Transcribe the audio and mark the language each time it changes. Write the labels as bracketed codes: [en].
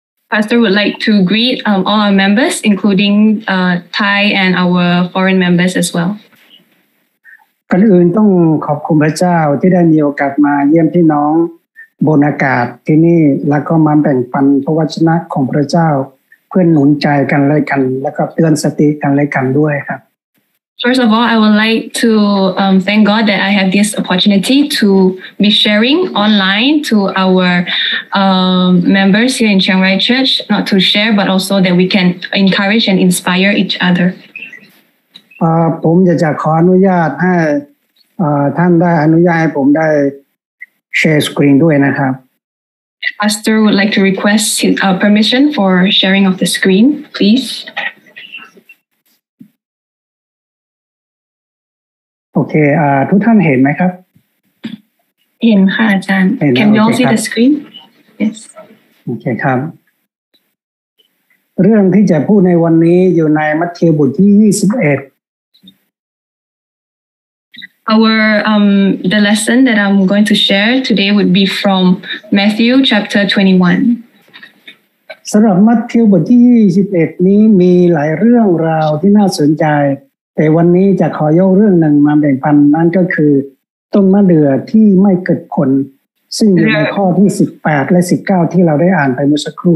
[en] Pastor would like to greet all our members, including Thai and our foreign members as well. [th] ก่อนอื่นต้องขอบคุณพระเจ้าที่ได้มีโอกาสมาเยี่ยมพี่น้องบนอากาศที่นี่แล้วก็มาแบ่งปันพระวจนะของพระเจ้าเพื่อหนุนใจกันและกันแล้วก็เตือนสติกันและกันด้วยครับ [en] First of all, I would like to thank God that I have this opportunity to be sharing online to our members here in Chiang Rai Church, not to share but also that we can encourage and inspire each other. [th] ผมจะขออนุญาตให้ท่านได้อนุญาตให้ผมได้Share screen ด้วยนะครับ [en] Pastor would like to request permission for sharing of the screen, please. [th] Okay, ทุกท่านเห็นไหมครับ เห็นค่ะอาจารย์ [en] Can you all see the screen? Yes. [th] Okay, ครับเรื่องที่จะพูดในวันนี้อยู่ในมัทธิวบทที่21 [en] Our the lesson that I'm going to share today would be from Matthew chapter 21. [th] สำหรับมัทธิวบทที่21นี้มีหลายเรื่องราวที่น่าสนใจแต่วันนี้จะขอยกเรื่องหนึ่งมาแบ่งปันนั่นก็คือต้นมะเดื่อที่ไม่เกิดผลซึ่งอยู่ในข้อที่18และ19ที่เราได้อ่านไปเมื่อสักครู